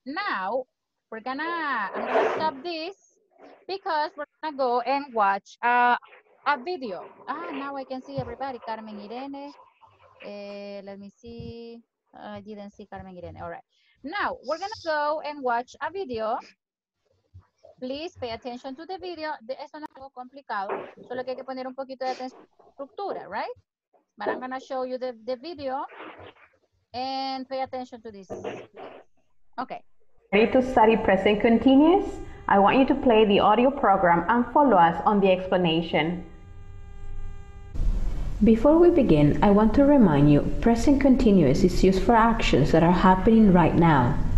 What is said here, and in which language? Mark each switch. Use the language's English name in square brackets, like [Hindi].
[English] Now, we're going to stop this because we're going to go and watch a video. Ah, now I can see everybody. Carmen Irene. Let me see. I didn't see Carmen Irene. All right. Now, we're going to go and watch a video. Please pay attention to the video. [Spanish] Eso no es algo complicado. Solo que hay que poner un poquito de atención a la estructura, right? [English] But I'm going to show you the video and pay attention to this. Okay. Ready to study present continuous? I want you to play the audio program and follow us on the explanation. Before we begin, I want to remind you, present continuous is used for actions that are happening right now.